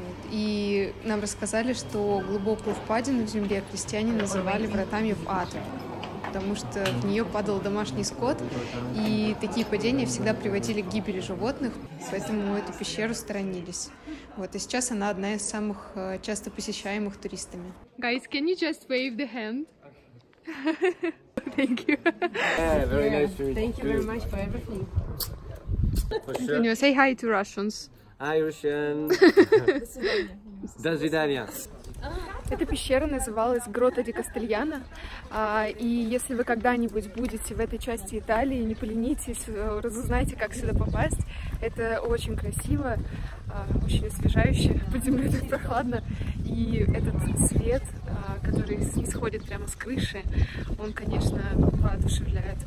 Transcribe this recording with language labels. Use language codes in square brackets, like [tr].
[ru] И нам рассказали, что глубокую впадину в земле крестьяне называли вратами в ад, потому что в нее падал домашний скот, и такие падения всегда приводили к гибели животных, поэтому эту пещеру сторонились. Вот, и сейчас она одна из самых часто посещаемых туристами. [en] Guys, can you just wave the hand? Thank you. Yeah, very nice to meet you. Thank you very much for everything. Can you say hi to Russians? Hi, Russian. [ru] До свидания. Эта пещера называлась Грота ди Кастельяно, и если вы когда-нибудь будете в этой части Италии, не поленитесь, разузнайте, как сюда попасть. Это очень красиво, очень освежающе, под землей так прохладно, и этот свет, который исходит прямо с крыши, он, конечно, воодушевляет.